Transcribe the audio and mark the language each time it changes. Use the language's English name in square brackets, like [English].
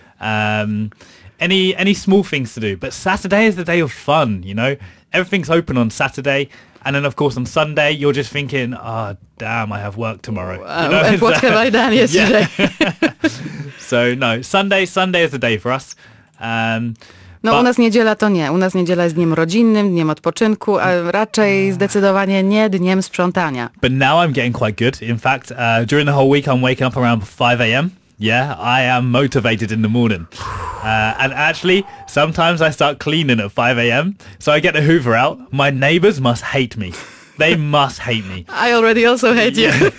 [English] Any small things to do. But Saturday is the day of fun, you know. Everything's open on Saturday. And then, of course, on Sunday, you're just thinking, oh, damn, I have work tomorrow. You know? What have I done yesterday? Yeah. So, no, Sunday is the day for us. [Polish] No u nas niedziela to nie. U nas niedziela jest dniem rodzinnym, dniem odpoczynku, a raczej zdecydowanie nie dniem sprzątania. [English] But now I'm getting quite good. In fact, during the whole week I'm waking up around 5 a.m. Yeah, I am motivated in the morning. And actually, sometimes I start cleaning at 5 a.m. So I get the Hoover out. My neighbors must hate me. They must hate me. I already also hate you.